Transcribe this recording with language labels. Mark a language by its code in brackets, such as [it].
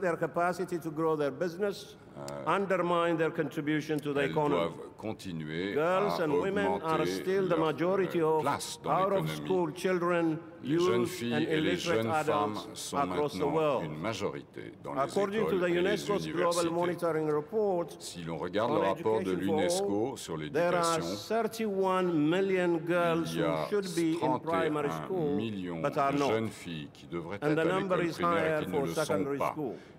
[en] their capacity to grow their business, undermine their contribution to the economy. Girls and women are still the majority of out-of-school children, youth and illiterate adults across the world. According to the UNESCO's Global Monitoring Report, [fr] si l'on regarde le rapport de l'UNESCO sur l'éducation, [en] there are 31 million girls who should be in primary school, but are not. And the number is higher for secondary school.